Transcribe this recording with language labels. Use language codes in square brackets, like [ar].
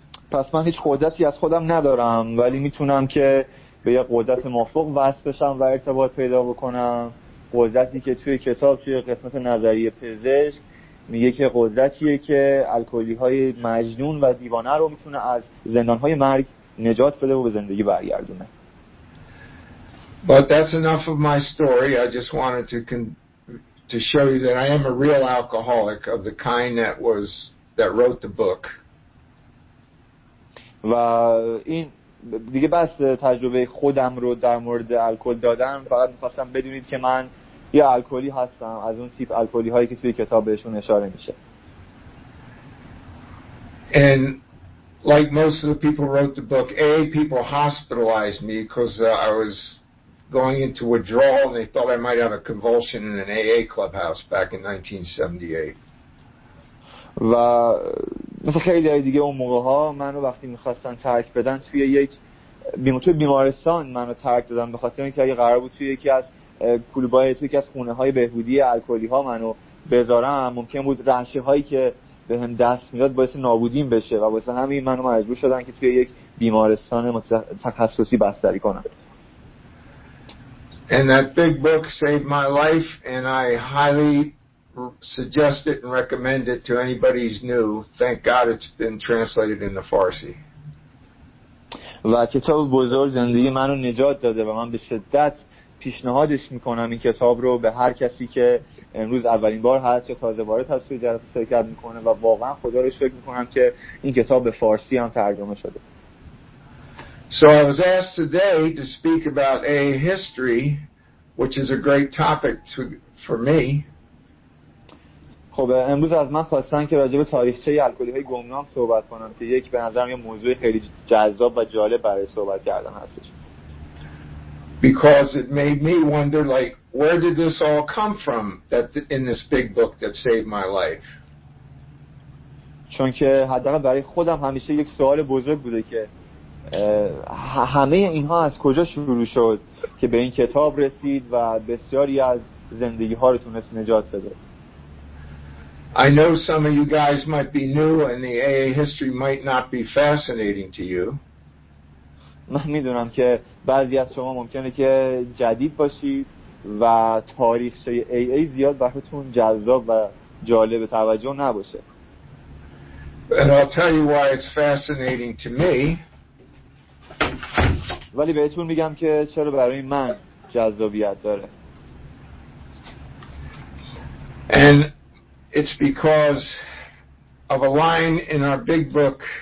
[fa] پس من هیچ قدرتی از خودم ندارم، ولی میتونم که به یه قدرت مافوق وصل بشم و ارتباط پیدا بکنم. قدرتی که توی کتاب توی قسمت نظری پزشک میگه که قدرتیه که الکلی های مجنون و دیوانه رو میتونه از زندان های مرگ نجات بده و به زندگی برگردونه. [en] But that's enough of my story. I just wanted to show you that I am a real alcoholic of the kind that wrote the book. [fa] و این دیگه بس تجربه خودم رو در مورد الکل دادم، فقط می‌خواستم بدونید که من یه الکلی هستم از اون تیپ الکلی هایی که توی کتاب بهشون اشاره میشه. [en] And like most of the people wrote the book, AA people hospitalized me because I was going into withdrawal and they thought I might have a convulsion in an AA clubhouse back in 1978. [fa] و مثل خیلی دیگه اون موقع ها من رو وقتی میخواستن ترک بدن توی توی بیمارستان من رو ترک دادن، به خاطر اینکه اگه قرار بود توی یکی از کلوبای توی یکی از خونه های بهبودی الکلی ها منو بذارم ممکن بود رنشه هایی که به هم دست میداد باعث نابودیم بشه و باعث همین منو مجبور شدن که توی یک بیمارستان تخصصی بستری کنم. [en] And that big book saved my life and I highly suggest it and recommend it to anybody who's new. Thank God it's been translated into Farsi. [fa] و کتاب بزرگ زندگی منو نجات داده و من به شدت پیشنهادش میکنم این کتاب رو به هر کسی که امروز اولین بار هست یا تازه وارد هست توی جلسه شرکت میکنه و واقعا خدا رو شکر میکنم که این کتاب به فارسی هم ترجمه شده. [en] So I was asked today to speak about AA history, which is a great topic for me. [fa] خب امروز از من خواستن که راجع به تاریخچه الکلی های گمنام صحبت کنم که یک به نظرم یه موضوع خیلی جذاب و جالب برای صحبت کردن هستش. [en] Because it made me wonder, like, where did this all come from that in this big book that saved my life? [fa] چون که حداقل برای خودم همیشه یک سوال بزرگ بوده که همه اینها از کجا شروع شد که به این کتاب رسید و بسیاری از زندگی ها رو تونست نجات بده؟ [en] I know some of you guys might be new and the AA history might not be fascinating to you. [fa] من میدونم که بعضی از شما ممکنه که جدید باشید و تاریخچه AA زیاد براتون جذاب و جالب توجه نباشه. [en] And I'll tell you why it's fascinating to me. [fa] ولی بهتون میگم که چرا برای من جذابیت داره. [en] And it's because of a line in our big book.